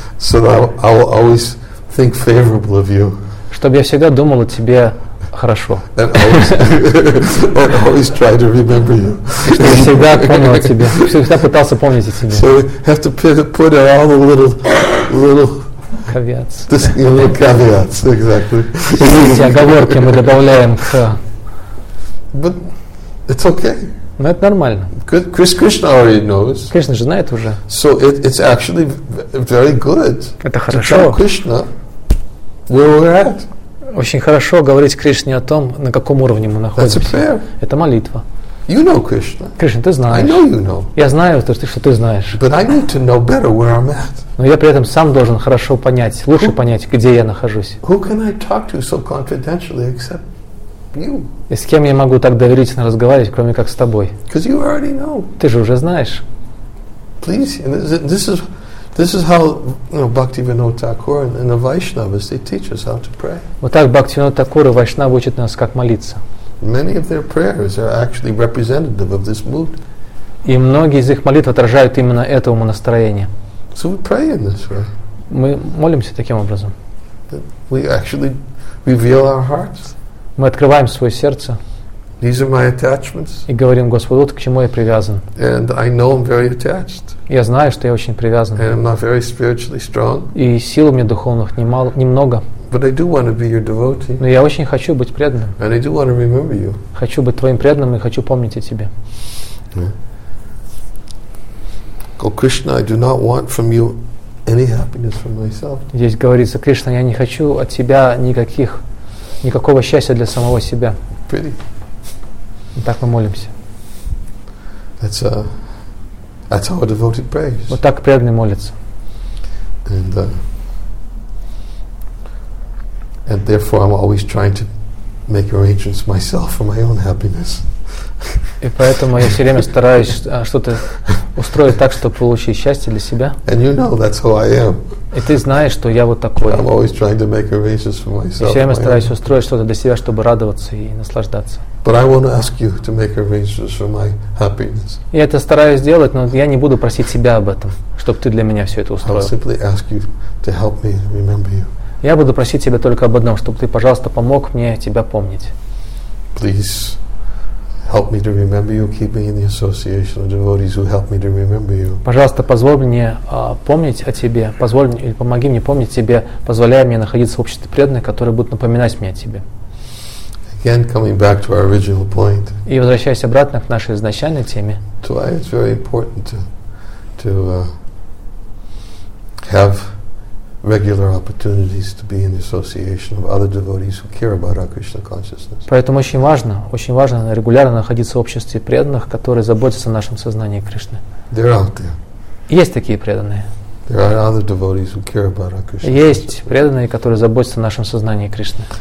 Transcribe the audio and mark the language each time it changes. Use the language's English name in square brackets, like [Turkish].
[English] So that I will always think favorably of you. [Russian] Чтобы я всегда думал о тебе хорошо. [English] And always try to remember you. [Russian] Чтобы я всегда помнил о тебе. Всегда пытался помнить о тебе. [English] So we have to put all the little caveats. This little caveats, exactly. [Russian] Видите, оговорки мы добавляем к. [English] But it's okay. [Russian] Но это нормально. [English] Krishna already knows. [Russian] Кришна же знает уже. [English] So it's actually very good. [Russian] Это хорошо. [English] To tell Krishna where we're at. [Russian] Очень хорошо говорить Кришне о том, на каком уровне мы находимся. [English] That's a prayer. [Russian] Это молитва. [English] You know Krishna. [Russian] Кришна, ты знаешь. [English] I know you know. [Russian] Я знаю, что ты знаешь. [English] But I need to know better where I'm at. [Russian] Но я при этом сам должен хорошо понять, лучше понять, где я нахожусь. [English] Who can I talk to so confidentially except you? [Russian] И с кем я могу так доверительно разговаривать, кроме как с тобой? [English] Because you already know. [Russian] Ты же уже знаешь. [English] Please, this is how, you know, Bhaktivinoda Thakur and the Vaishnavas, they teach us how to pray. [Russian] Вот так Бхактивинода Такур и Вайшнавы учат нас, как молиться. [English] Many of their prayers are actually representative of this mood. [Russian] И многие из их молитв отражают именно это умонастроение. [English] So we pray in this way. [Russian] Мы молимся таким образом. [English] We actually reveal our hearts. [Russian] Мы открываем свое сердце. [English] These are my attachments. [Russian] И говорим: Господу, вот к чему я привязан. [English] And I know I'm very attached. [Russian] Я знаю, что я очень привязан. [English] And I'm not very spiritually strong. [Russian] И сил у меня духовных немного. [English] But I do want to be your devotee. [Russian] Но я очень хочу быть преданным. [English] And I do want to remember you. [Russian] Хочу быть твоим преданным и хочу помнить о тебе. [English] O Krishna, I do not want from you any happiness for myself. [Russian] Здесь говорится: Кришна, я не хочу от тебя никакого счастья для самого себя. [English] Pretty. [Russian] Так мы молимся. [English] That's how a devotee prays. [Russian] Вот так преданный молится. [English] And therefore I'm always trying to make arrangements myself for my own happiness. [Russian] И поэтому я все время стараюсь что-то устроить так, чтобы получить счастье для себя. [English] And you know that's who I am. [Russian] И ты знаешь, что я вот такой. [English] I'm always trying to make arrangements for myself. [Russian] И все время стараюсь устроить что-то для себя, чтобы радоваться и наслаждаться. [English] But I want to ask you to make arrangements for my happiness. [Russian] Я это стараюсь делать, но я не буду просить себя об этом, чтобы ты для меня все это устроил. [English] I'll simply ask you to help me remember you. [Russian] Я буду просить тебя только об одном, чтобы ты, пожалуйста, помог мне тебя помнить. [English] Please help me to remember you. Keep me in the association of devotees who help me to remember you. [Russian] Пожалуйста, позволь мне помнить о тебе. Помоги мне помнить тебе. Позволяй мне находиться в обществе преданных, которые будут напоминать мне о тебе. [English] Again, coming back to our original point. [Russian] И возвращаясь обратно к нашей изначальной теме. [English] To why it's very important to have regular opportunities to be in the association of other devotees who care about our Krishna consciousness. [Russian] Поэтому очень важно регулярно находиться в обществе преданных, которые заботятся о нашем сознании Кришны. [English] There are out there. [Russian] Есть такие преданные. [English] There are other devotees who care about our Krishna. [Russian] Есть преданные, которые заботятся о нашем сознании Кришны.